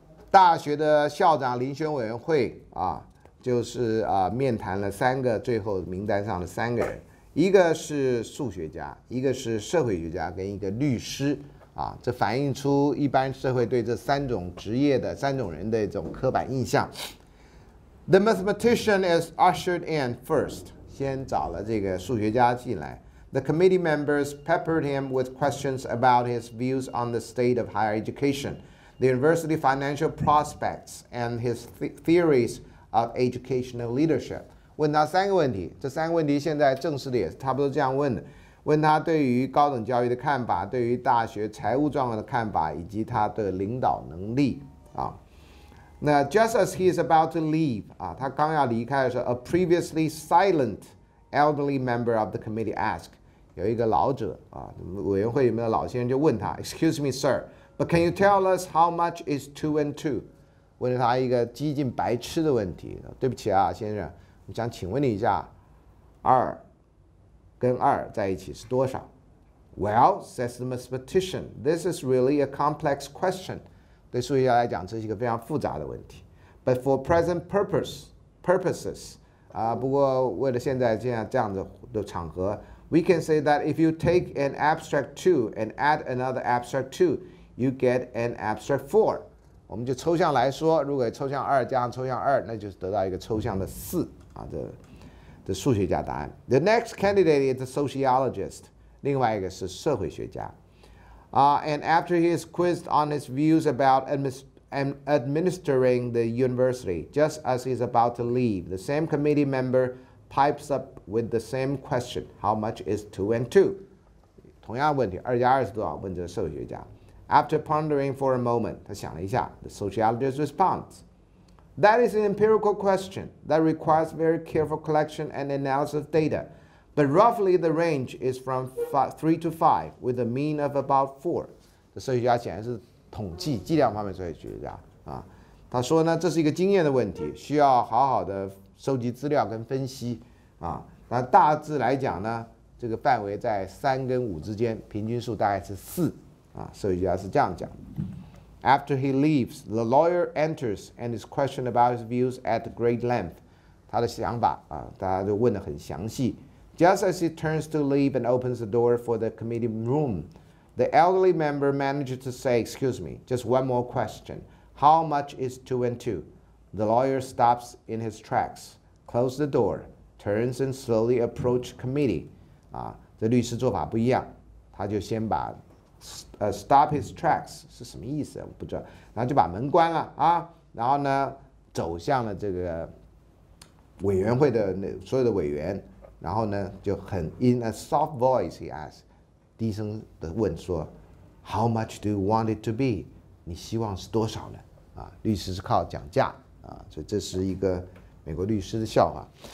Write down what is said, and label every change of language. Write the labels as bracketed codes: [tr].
[zh] 大学的校长遴选委员会啊，就是啊面谈了3个最后名单上的3个人，一个是数学家，一个是社会学家，跟一个律师啊，这反映出一般社会对这3种职业的3种人的一种刻板印象。 [en] The mathematician is ushered in first， [zh] 先找了这个数学家进来。 [en] The committee members peppered him with questions about his views on the state of higher education, the university financial prospects, and his theories of educational leadership. [zh] 问他三个问题，这三个问题现在正式的也差不多这样问的。问他对于高等教育的看法，对于大学财务状况的看法，以及他的领导能力啊。 [en] 那 just as he is about to leave 啊， [zh] 他刚要离开的时候 [en] ，a previously silent elderly member of the committee asked， [zh] 有一个老者啊，委员会里面的老先生就问他 [en] ，Excuse me, sir, but can you tell us how much is two and two？ [zh] 问了他一个激进白痴的问题，对不起啊，先生，我想请问你一下，二。跟二在一起是多少 [en] ？Well, says the mathematician, this is really a complex question. [zh] 对数学家来讲，这是一个非常复杂的问题。 [en] But for present purposes, 啊， [zh] 不过为了现在这样子的场合 [en] ，we can say that if you take an abstract two and add another abstract two, you get an abstract four. [zh] 我们就抽象来说，如果抽象二加上抽象二，那就是得到一个抽象的四啊，这。的数学家答案。 [en] The next candidate is a sociologist， [zh] 另外一个是社会学家。 [en] And after he is quizzed on his views about administering the university, just as he is about to leave, the same committee member pipes up with the same question: How much is two and two？ [zh] 同样问题，二加二是多少？问这个社会学家。 [en] After pondering for a moment， [zh] 他想了一下。 [en] The sociologist responds。 That is an empirical question that requires very careful collection and analysis of data. But roughly the range is from 3 to 5 with a mean of about 4. [zh] 这社会学家显然是统计计量方面社会学家、啊、他说呢这是一个经验的问题需要好好的收集资料跟分析、啊、那大致来讲呢这个范围在3跟5之间平均数大概是4、啊、社会学家是这样讲的。 [en] After he leaves, the lawyer enters and is questioned about his views at great length. [zh] 他的想法、啊、大家就问得很详细。 [en] Just as he turns to leave and opens the door for the committee room, the elderly member manages to say, excuse me, just one more question. How much is two and two? The lawyer stops in his tracks, closes the door, turns and slowly approaches committee.、啊、 [zh] 这律师做法不一样，他就先把 [en] stop his tracks [zh] 是什么意思？我不知道。然后就把门关了啊，然后呢，走向了这个委员会的那所有的委员，然后呢，就很 [en] in a soft voice he asks， [zh] 低声的问说 ， [en] How much do you want it to be？ [zh] 你希望是多少呢？啊，律师是靠讲价啊，所以这是一个美国律师的笑话。